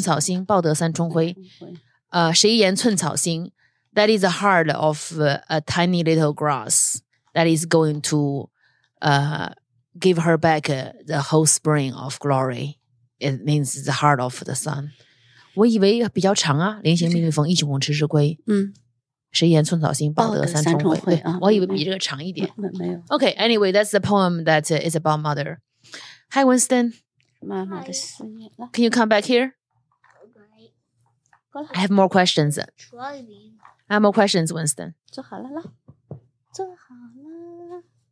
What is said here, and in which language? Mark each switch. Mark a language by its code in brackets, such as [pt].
[zh] 草心，报得三春晖。谁言寸草心 [en] ？That is the heart of a tiny little grass that is going to give her back the whole spring of glory. It means the heart of the sun. [zh] 我以为比较长啊，临行密密缝，意恐迟迟归。谁言寸草心，报得三春晖。我以为比这个长一点。没有。 [en] Okay, anyway, that's the poem that is about mother. Hi, Winston. [zh] 妈妈的思念。 [en] Can you come back here? I have more questions. I have more questions, Winston. [zh] 坐好了啦。坐好了。